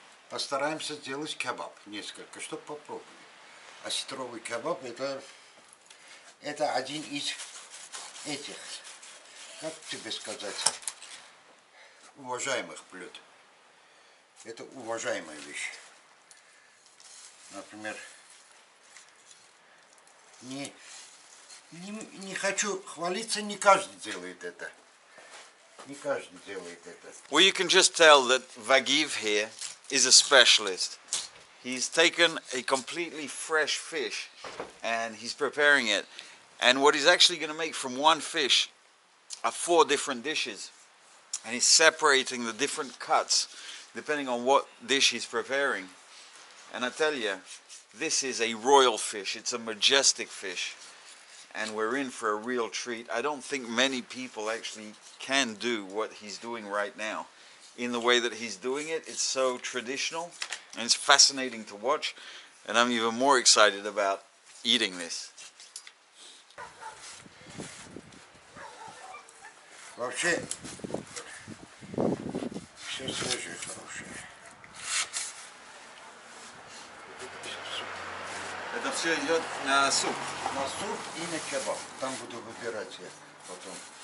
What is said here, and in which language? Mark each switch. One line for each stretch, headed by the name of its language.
Russian: Постараемся сделать кебаб несколько, чтобы попробовали. Осетровый кебаб это один из этих, как тебе сказать, уважаемых блюд. Это уважаемая вещь. Например, Не хочу хвалиться, не каждый делает это. Не каждый делает это.
English: Well, you can just tell that Vagiv here is a specialist. He's taken a completely fresh fish and he's preparing it. And what he's actually going to make from one fish are four different dishes. and he's separating the different cuts depending on what dish he's preparing. And I tell you, this is a royal fish. It's a majestic fish. And we're in for a real treat. I don't think many people actually can do what he's doing right now. In the way that he's doing it, it's so traditional and it's fascinating to watch. And I'm even more excited about eating this.
Russian: Вообще, все свежее хорошее. Это все идет на суп? На суп и на кебаб. Там буду выбирать я потом.